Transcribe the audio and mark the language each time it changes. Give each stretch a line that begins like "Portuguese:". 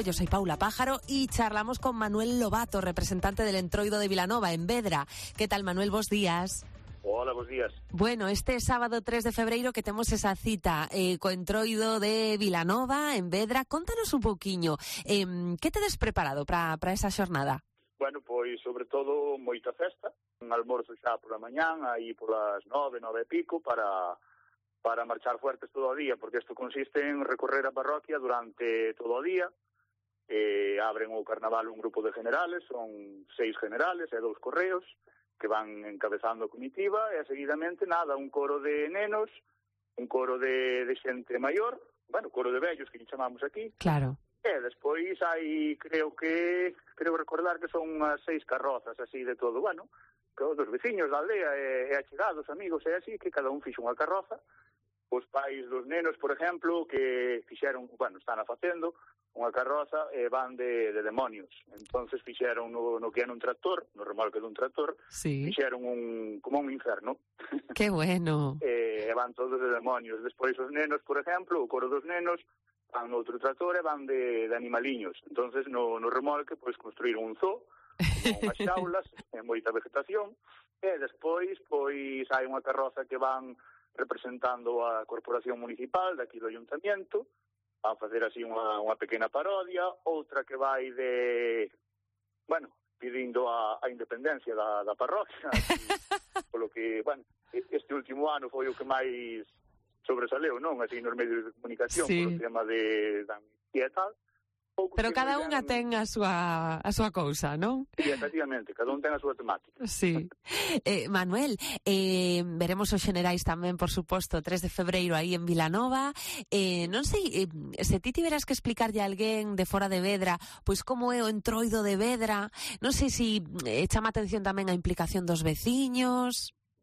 Spanish: Yo soy Paula Pájaro y charlamos con Manuel Lobato, representante del entroido de Vilanova, en Vedra. ¿Qué tal, Manuel? Buenos días. Hola, buenos días. Bueno, este sábado 3 de febrero que tenemos esa cita con entroido de Vilanova, en Vedra.
Galician: Contanos un poquiño.
Spanish: ¿Qué te has preparado para esa jornada?
Galician: Bueno, pois, sobre todo, moita festa. Un almorzo xa por la mañán, aí por las 9, 9 e pico, para marchar fuertes todo o día, porque isto consiste en recorrer a parroquia durante todo o día. Abren o carnaval un grupo de generales, son 6 generales e 2 correos que van encabezando a comitiva, e seguidamente, nada, un coro de nenos, un coro de xente maior, bueno, coro de vellos que lle chamamos aquí. Claro. E despois hai, creo recordar que son unhas 6 carrozas así de todo, bueno, dos veciños da aldea e achegados, amigos e así, que cada un fixe unha carroza. Os pais dos nenos, por exemplo, que fixeron, bueno, están a facendo unha carroza e van de demonios. Entonces fixeron no que era un tractor, no remolque dun tractor, sí. Fixeron un como un inferno.
Spanish: Qué bueno.
Galician: E van todos de demonios. Despois os nenos, por exemplo, o coro dos nenos, van no outro tractor e van de animaliños. Entonces no remolque pois construíron un zoo, con unhas xaulas e moita vegetación. E despois pois hai unha carroza que van representando a Corporación Municipal de aquí do Ayuntamiento, van facer así unha pequena parodia, outra que vai de, bueno, pidindo a independencia da parroquia, polo que, bueno, este último ano foi o que máis sobresaleu, non? Así nos medios de comunicación, sí. Polo tema de amnistía e tal. Pero cada unha ten a súa cousa, non? Sí, efectivamente, cada un ten a súa temática. Sí. Manuel, veremos os xenerais tamén, por suposto, 3 de febreiro aí en Vilanova. Non sei, se ti tiveras que explicarlle a alguén de fora de Vedra, pois como é o entroido de Vedra, non sei si chama atención tamén a implicación dos veciños.